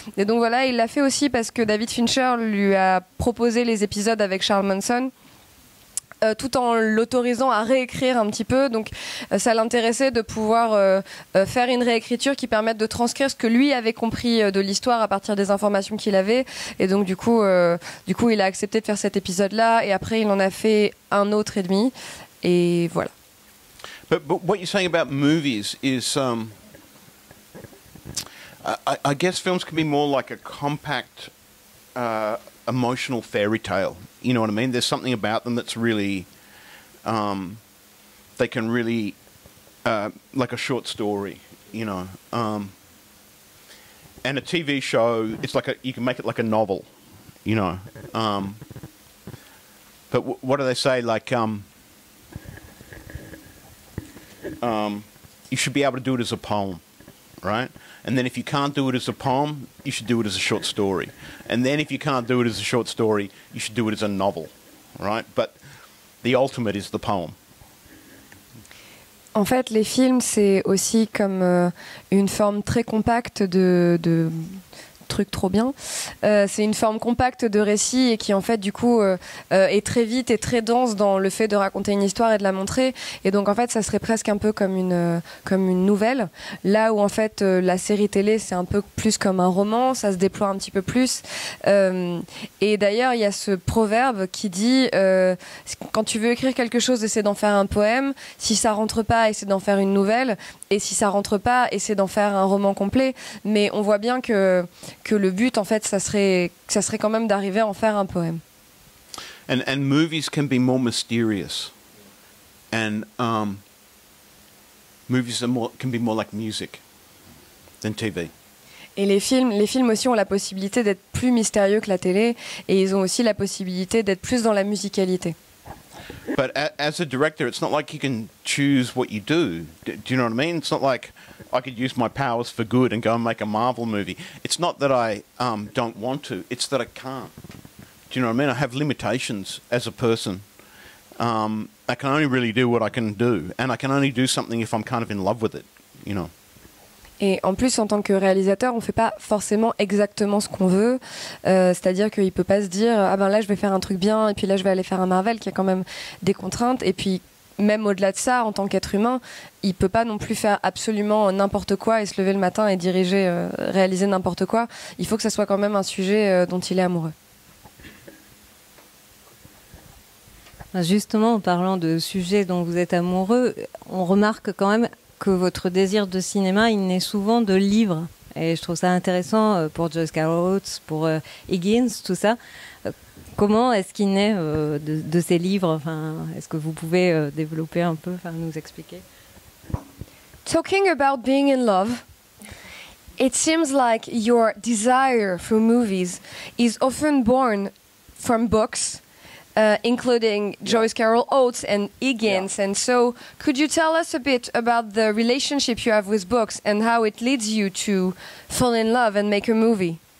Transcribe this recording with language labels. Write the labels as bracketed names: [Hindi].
[French] Et donc voilà, il l'a fait aussi parce que David Fincher lui a proposé les épisodes avec Charles Manson, tout en l'autorisant à réécrire un petit peu. Donc ça l'intéressait de pouvoir faire une réécriture qui permette de transcrire ce que lui avait compris de l'histoire à partir des informations qu'il avait. Et donc du coup il a accepté de faire cet épisode là et après il en a fait un autre et demi, et voilà. [English] But what you're saying about movies is I guess films can be more like a compact emotional fairy tale. You know what I mean? There's something about them that's really, they can really, like a short story, you know. And a TV show, it's like you can make it like a novel, you know. But what do they say? Like, you should be able to do it as a poem, right? And then if you can't do it as a poem, you should do it as a short story. And then if you can't do it as a short story, you should do it as a novel, right? But the ultimate is the poem. [French] En fait, les films, c'est aussi comme une forme très compacte de truc trop bien. C'est une forme compacte de récit et qui en fait du coup est très vite et très dense dans le fait de raconter une histoire et de la montrer. Et donc en fait ça serait presque un peu comme une nouvelle, là où en fait la série télé c'est un peu plus comme un roman, ça se déploie un petit peu plus. Et d'ailleurs il y a ce proverbe qui dit quand tu veux écrire quelque chose, essaie d'en faire un poème, si ça rentre pas essaie d'en faire une nouvelle, et si ça rentre pas essaie d'en faire un roman complet. Mais on voit bien que le but, en fait, ça serait quand même d'arriver à en faire un poème. [English] And movies can be more mysterious. And movies are more, can be more like music than TV. [French] Et les films aussi ont la possibilité d'être plus mystérieux que la télé, et ils ont aussi la possibilité d'être plus dans la musicalité. [English] But as a director, it's not like you can choose what you do. Do you know what I mean? It's not like I could use my powers for good and go and make a Marvel movie. It's not that I don't want to. It's that I can't. Do you know what I mean? I have limitations as a person. I can only really do what I can do. And I can only do something if I'm kind of in love with it, you know. [French] Et en plus, en tant que réalisateur, on ne fait pas forcément exactement ce qu'on veut. C'est-à-dire qu'il ne peut pas se dire « Ah ben là, je vais faire un truc bien, et puis là, je vais aller faire un Marvel », qui a quand même des contraintes. Et puis, même au-delà de ça, en tant qu'être humain, il ne peut pas non plus faire absolument n'importe quoi et se lever le matin et diriger, réaliser n'importe quoi. Il faut que ça soit quand même un sujet dont il est amoureux. Justement, en parlant de sujets dont vous êtes amoureux, on remarque quand même que votre désir de cinéma, il naît souvent de livres. Et je trouve ça intéressant pour Joyce Carol Oates, pour Higgins, tout ça. Comment est-ce qu'il naît de ces livres? Enfin, est-ce que vous pouvez développer un peu, enfin, nous expliquer? [English] Talking about being in love, it seems like your desire for movies is often born from books, including Joyce Carol Oates and Higgins. Yeah. And so could you tell us a bit about the relationship you have with books and how it leads you to fall in love and make a movie?